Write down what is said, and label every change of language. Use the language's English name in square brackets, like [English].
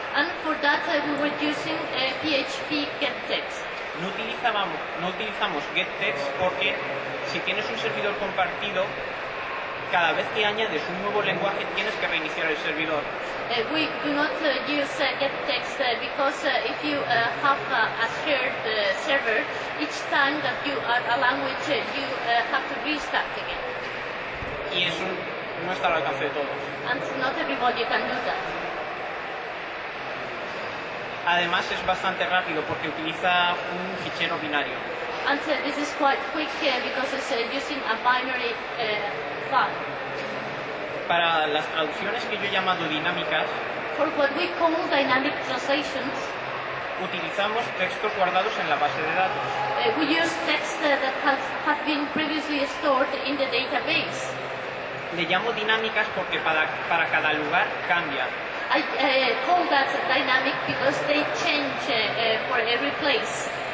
[English] And for that we were using PHP GetText. [Spanish] No utilizamos GetText porque si tienes un servidor compartido, cada vez que añades un nuevo lenguaje tienes que reiniciar el servidor. [English] We do not use GetText because if you have a shared server, each time that you add a language, you have to restart again. [Spanish] Y eso no está al alcance de todos. [English] And not everybody can do that. [Spanish] Además, es bastante rápido porque utiliza un fichero binario. [English] And this is quite quick because it's using a binary file. [Spanish] Para las traducciones que yo he llamado dinámicas, [English] for what we call dynamic translations, [Spanish] utilizamos textos guardados en la base de datos. [English] We use text that have been previously stored in the database. [Spanish] Le llamo dinámicas porque para cada lugar cambia. [English] I call that dynamic because they change for every place.